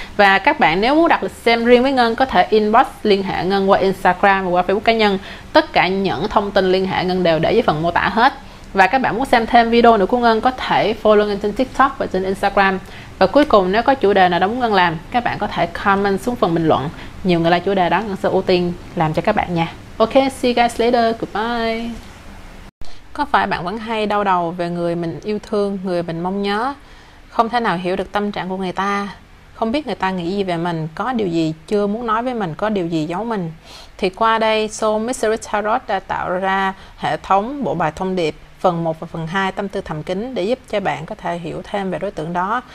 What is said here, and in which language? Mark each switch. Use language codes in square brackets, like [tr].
[vi] Và các bạn nếu muốn đặt lịch xem riêng với Ngân, có thể inbox liên hệ Ngân qua Instagram và qua Facebook cá nhân. Tất cả những thông tin liên hệ Ngân đều để dưới phần mô tả hết. Và các bạn muốn xem thêm video nữa của Ngân, có thể follow Ngân trên TikTok và trên Instagram. Và cuối cùng, nếu có chủ đề nào đó muốn Ngân làm, các bạn có thể comment xuống phần bình luận. Nhiều người like chủ đề đó, Ngân sẽ ưu tiên làm cho các bạn nha. [en] Ok, see you guys later, goodbye. [vi] Có phải bạn vẫn hay đau đầu về người mình yêu thương, người mình mong nhớ, không thể nào hiểu được tâm trạng của người ta, không biết người ta nghĩ gì về mình, có điều gì chưa muốn nói với mình, có điều gì giấu mình? Thì qua đây, Soul Mystery Tarot đã tạo ra hệ thống bộ bài thông điệp phần 1 và phần 2 tâm tư thầm kín để giúp cho bạn có thể hiểu thêm về đối tượng đó.